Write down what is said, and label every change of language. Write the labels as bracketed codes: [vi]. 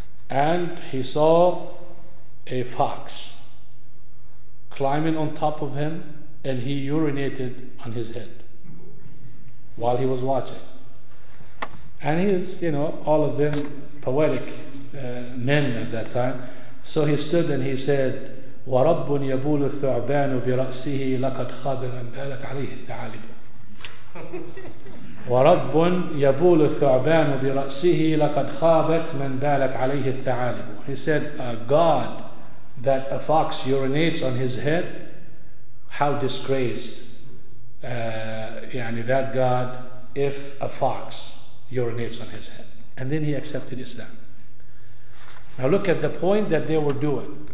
[en] And he saw a fox climbing on top of him and he urinated on his head while he was watching. And he's, you know, all of them poetic men at that time. [ar] So he stood and he said, وَرَبٌّ يَبُولُ الثُّعْبَانُ بِرَأْسِهِ لَقَدْ خَابَ مَنْ بَالَتْ عَلَيْهِ الثَّعَالِبُ وَرَبٌّ يَبُولُ الثُّعْبَانُ بِرَأْسِهِ لَقَدْ خَابَتْ مَنْ بَالَتْ عَلَيْهِ الثَّعَالِبُ. [en] He said, a god that a fox urinates on his head, how disgraced يعني that god if a fox urinates on his head. And then he accepted Islam. Now look at the point that they were doing.